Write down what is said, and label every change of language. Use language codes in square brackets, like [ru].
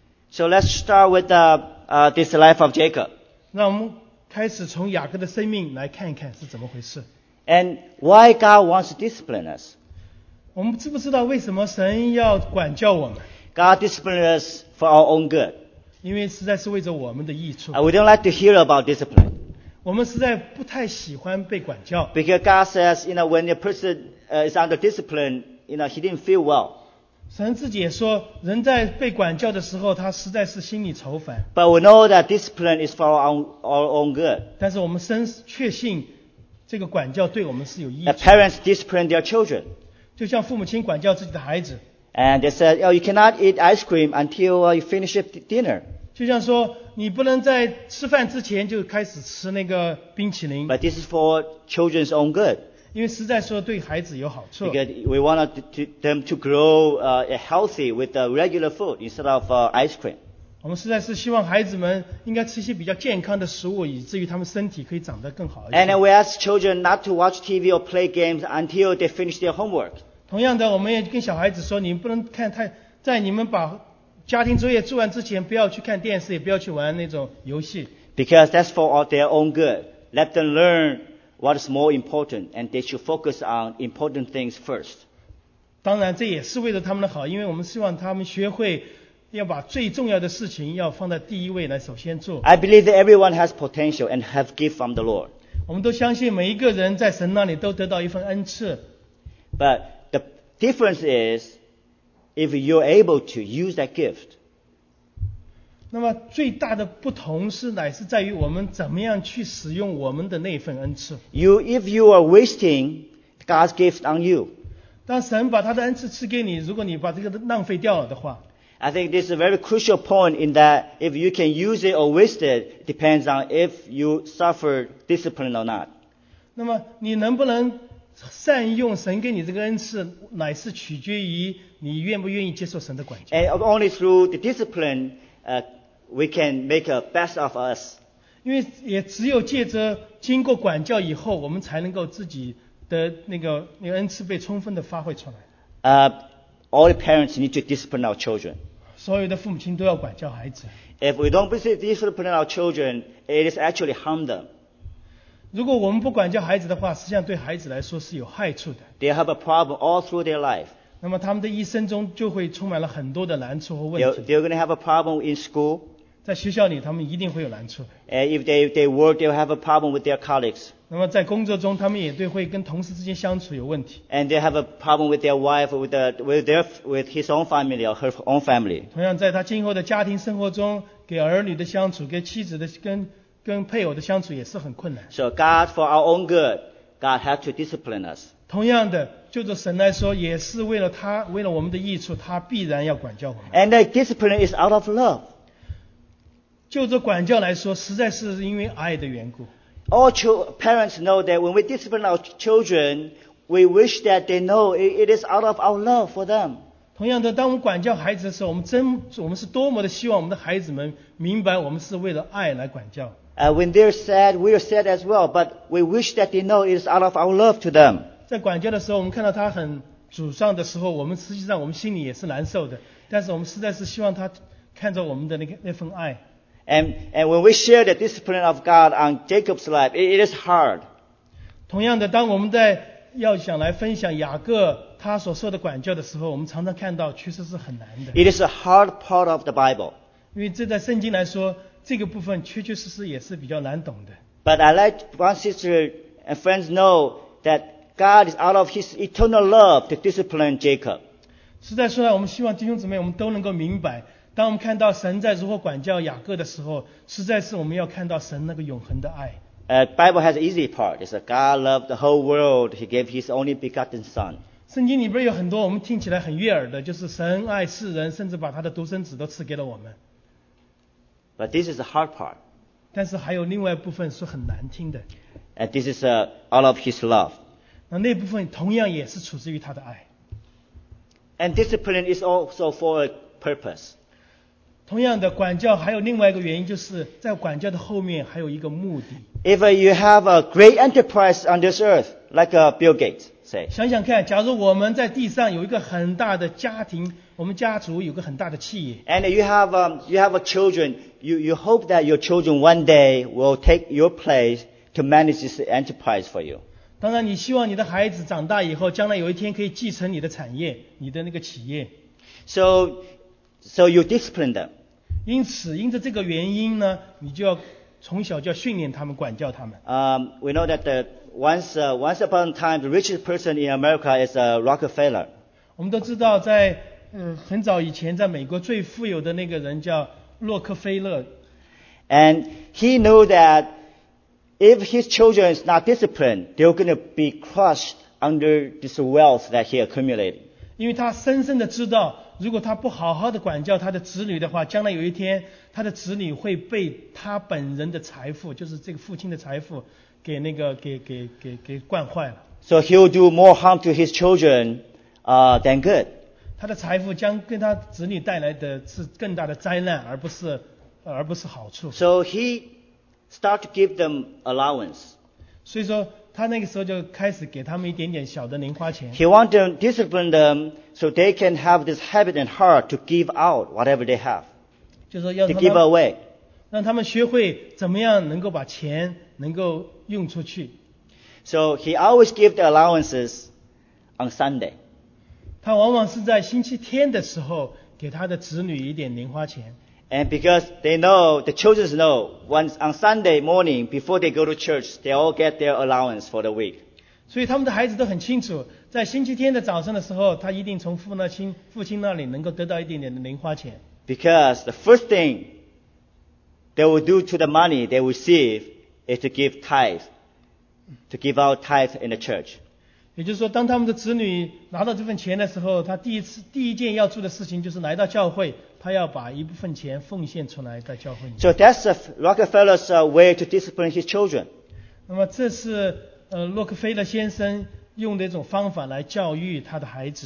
[en] So let's start with this life of Jacob. [zh] 让我们开始从雅各的生命来看一看是怎么回事。 [en] And why God wants to discipline us? [zh] 我们知不知道为什么神要管教我们？ [en] God disciplines us for our own good. [zh] 因为实在是为着我们的益处。 [en] We don't like to hear about discipline. [zh] 我们实在不太喜欢被管教。 [en] Because God says, you know, when a person is under discipline,You know, he didn't feel well. [zh] 神自己也说，人在被管教的时候，他实在是心里愁烦。 [en] But we know that discipline is for our own good. [zh] 但是我们深确信，这个管教对我们是有益处。 [en] The parents discipline their children. [zh] 就像父母亲管教自己的孩子。 [en] And they said, "Oh, you cannot eat ice cream until you finish dinner." [zh] 就像说，你不能在吃饭之前就开始吃那个冰淇淋。 [en] But this is for children's own good. [zh] 因为实在说对孩子有好处。 [en] Because we want them to grow healthy with the regular food instead of ice cream. [zh] 我们实在是希望孩子们应该吃一些比较健康的食物，以至于他们身体可以长得更好一点。 [en] And we ask children not to watch TV or play games until they finish their homework. [zh] 同样的，我们也跟小孩子说，你们不能看太，在你们把家庭作业做完之前，不要去看电视，也不要去玩那种游戏。 [en] Because that's for their own good. Let them learn. What is more important, and they should focus on important things first. [zh] 当然，这也是为了他们的好，因为我们希望他们学会要把最重要的事情要放在第一位来首先做。 [en] I believe that everyone has potential and have gift from the Lord. [zh] 我们都相信每一个人在神那里都得到一份恩赐。 [en] But the difference is, if you're able to use that gift. [zh] 那么最大的不同是乃是在于我们怎么样去使用我们的那份恩赐。 [en] If you are wasting God's gift on you, [zh] 当神把他的恩赐赐给你，如果你把这个浪费掉了的话 [en] ，I think this is a very crucial point in that if you can use it or waste it depends on if you suffer discipline or not. [zh] 那么你能不能善用神给你这个恩赐，乃是取决于你愿不愿意接受神的管教。 [en] And only through the discipline. We can make a best of us. [zh] 因为也只有借着经过管教以后，我们才能够自己的那个恩赐被充分的发挥出来。 [en] All the parents need to discipline our children. [zh] 所有的父母亲都要管教孩子。 [en] If we don't discipline our children, it is actually harm them. [zh] 如果我们不管教孩子的话，实际上对孩子来说是有害处的。 [en] They have a problem all through their life. [zh] 那么他们的一生中就会充满了很多的难处和问题。 [en] They're going to have a problem in school. [zh] 在学校里，他们一定会有难处。 [en] And if they work, they'll have a problem with their colleagues. [zh] 那么在工作中，他们也对会跟同事之间相处有问题。 [en] And they have a problem with their wife, with his own family or her own family. [zh] 同样，在他今后的家庭生活中，给儿女的相处，给妻子的跟配偶的相处也是很困难。 [en] So God, for our own good, God has to discipline us. [zh] 同样的，就着神来说，也是为了他，为了我们的益处，他必然要管教我们。 [en] And that discipline is out of love. [zh] 就着管教来说，实在是因为爱的缘故。 [en] All parents know that when we discipline our children, we wish that they know it is out of our love for them. [zh] 同样的，当我们管教孩子的时候，我们是多么的希望我们的孩子们明白，我们是为了爱来管教。 [en] When they're sad, we're sad as well, but we wish that they know it is out of our love to them. [zh] 在管教的时候，我们看到他很沮丧的时候，我们实际上我们心里也是难受的，但是我们实在是希望他看着我们的那份爱。 [en] And when we share the discipline of God on Jacob's life, it is hard. [zh] 同样的，当我们在要想来分享雅各他所受的管教的时候，我们常常看到确实是很难的。 [en] It is a hard part of the Bible. [zh] 因为这在圣经来说，这个部分确实也是比较难懂的。 [en] But I let one sister and friends know that God is out of His eternal love to discipline Jacob. [zh] 实在说来，我们希望弟兄姊妹我们都能够明白。当我们看到神在如何管教雅各的时候，实在是我们要看到神那个永恒的爱。 [en] Bible has an easy part. It's a God loved the whole world. He gave His only begotten Son. [zh] 圣经里边有很多我们听起来很悦耳的，就是神爱世人，甚至把他的独生子都赐给了我们。 [en] But this is the hard part. [zh] 但是还有另外一部分是很难听的。 [en] And this is all of His love. [zh] 那部分同样也是出自于他的爱。 [en] And discipline is also for a purpose. [zh] 同样的，管教还有另外一个原因，就是在管教的后面还有一个目的。 [en] If you have a great enterprise on this earth, like Bill Gates, say. [zh] 想想看，假如我们在地上有一个很大的家庭，我们家族有个很大的企业。 [en] And you have children, you hope that your children one day will take your place to manage this enterprise for you. [zh] 当然，你希望你的孩子长大以后，将来有一天可以继承你的产业，你的那个企业。 [en] So you discipline them. [zh] 因此，因着这个原因呢，你就要从小就要训练他们，管教他们。 [en] We know that once upon a time, the richest person in America is a Rockefeller. [zh] 我们都知道在，很早以前，在美国最富有的那个人叫洛克菲勒。 [en] And he knew that if his children is not disciplined, they're going to be crushed under this wealth that he accumulated. [zh] 因为他深深的知道。如果他不好好的管教他的子女的话，将来有一天他的子女会被他本人的财富，就是这个父亲的财富，给惯坏了。 [en] So he'll do more harm to his children, than good. [zh] 他的财富将跟他子女带来的是更大的灾难，而不是好处。 [en] So he start to give them allowance. [zh] 所以说。他那个时候就开始给他们一点点小的零花钱。 [en] He wants to discipline them so they can have this habit and heart to give out whatever they have. [zh] 就说要 [en] to give away. [zh] 让他们学会怎么样能够把钱能够用出去。 [en] So he always gives the allowances on Sunday. [zh] 他往往是在星期天的时候给他的子女一点零花钱。 [en] And because they know, the children know, once on Sunday morning, before they go to church, they all get their allowance for the week. [zh] 所以他们的孩子都很清楚，在星期天的早上的时候，他一定从父亲那里能够得到一点点的零花钱。 [en] Because the first thing they will do to the money they receive is to give tithe, to give out tithe in the church. [zh] 也就是说，当他们的子女拿到这份钱的时候，他第一件要做的事情就是来到教会。他要把一部分钱奉献出来在教会里。 [en] So that's Rockefeller's way to discipline his children. [zh] 那么这是洛克菲勒先生用的一种方法来教育他的孩子。